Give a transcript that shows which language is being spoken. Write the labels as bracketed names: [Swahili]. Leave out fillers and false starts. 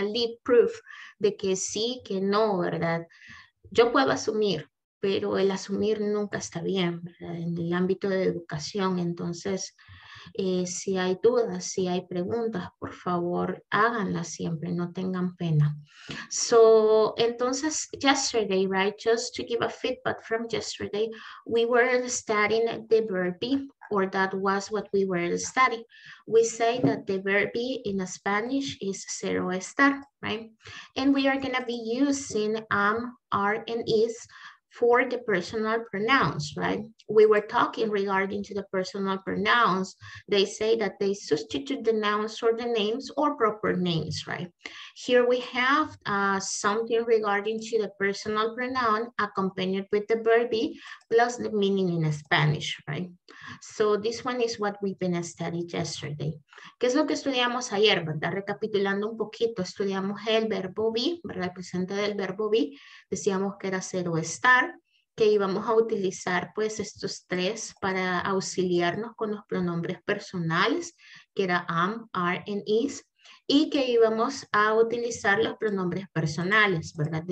[Spanish] Una lead proof de que sí, que no, ¿verdad? Yo puedo asumir, pero el asumir nunca está bien, ¿verdad? En el ámbito de educación. Entonces, si hay dudas, si hay preguntas, por favor, háganlas siempre, no tengan pena. [English] So, entonces, yesterday, right, just to give a feedback from yesterday, we were studying the verb be, or that was what we were studying. We say that the verb be in Spanish is ser o estar, right? And we are going to be using am, are, and is for the personal pronouns, right? We were talking regarding to the personal pronouns. They say that they substitute the nouns for the names or proper names, right? Here we have something regarding to the personal pronoun accompanied with the verb be plus the meaning in Spanish, right? So this one is what we've been studying yesterday. [Spanish] ¿Qué es lo que estudiamos ayer, verdad? Recapitulando un poquito, estudiamos el verbo be, ¿verdad? El presente del verbo be, decíamos que era ser o estar, que íbamos a utilizar pues estos tres para auxiliarnos con los pronombres personales, que era am, are, and is, y que íbamos a utilizar los pronombres personales, ¿verdad?